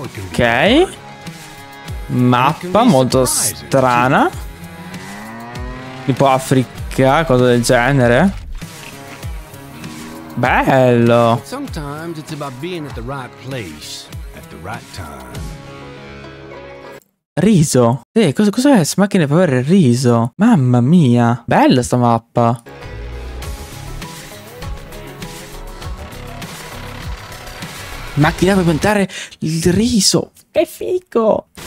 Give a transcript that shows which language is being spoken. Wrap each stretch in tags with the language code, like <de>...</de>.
<it>Ok. Mappa molto strana. Tipo Africa, cosa del genere. Bello.</it> <en>Sometimes it's about being at the right place at the right time.</en> <it>Riso. Cosa è? Macchine per avere il riso. Mamma mia. Bella sta mappa. Macchina per piantare il riso. Che figo.</it>